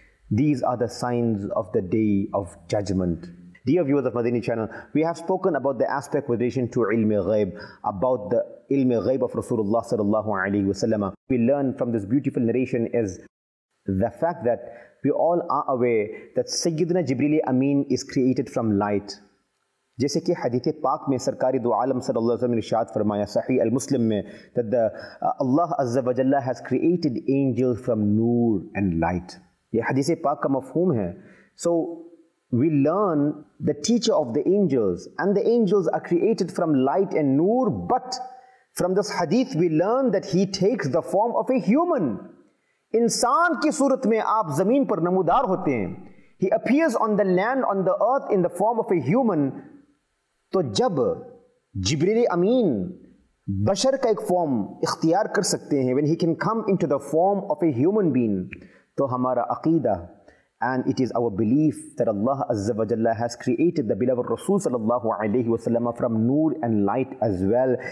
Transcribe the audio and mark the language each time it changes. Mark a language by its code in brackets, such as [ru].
[en] These are the signs of the day of judgment. Dear viewers of Madini channel, we have spoken about the aspect with relation to ilmi ghaib, about the ilmi ghaib of Rasulullah sallallahu alaihi wasallam. We learn from this beautiful narration is the fact that we all are aware that Sayyidina Jibril Amin is created from light. [ur] جیسے کہ حدیث پاک میں سرکاری دو عالم صلی اللہ علیہ وسلم نے ارشاد فرمایا صحیح المسلم میں [en] that the Allah عز و جل has created angels from [ur] Noor and light. یہ حدیث پاک کا مفہوم ہے. [en] So we learn the teacher of the angels, and the angels are created from light and نور, but from this hadith we learn that he takes the form of a human. [ur] انسان کی صورت میں آپ زمین پر نمودار ہوتے ہیں. [en] He appears on the land, on the earth, in the form of a human. [ur] تو جب جبریل امین بشر کا ایک فارم اختیار کر سکتے ہیں, [en] when he can come into the form of a human being, [ur] تو ہمارا عقیدہ, [en] and it is our belief that Allah Azza wa Jalla has created the beloved Rasul sallallahu alayhi wa sallam from noor and light as well.